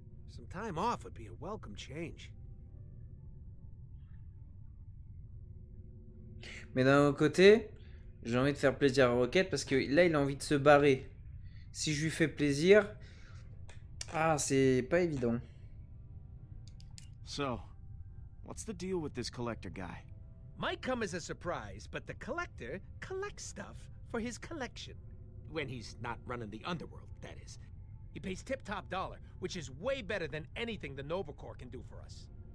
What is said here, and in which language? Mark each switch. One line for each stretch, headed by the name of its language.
English: Some time off would be a welcome change.
French: Mais d'un autre côté, j'ai envie de faire plaisir à Rocket parce que là, il a envie de se barrer. Si je lui fais plaisir, ah, c'est pas évident.
English: So, what's the deal with this collector guy? Might come as a surprise, but the collector collects stuff for his collection. When he's not running the underworld, that is. He pays tip-top dollar, which is way better than anything the Nova Corps can do for us.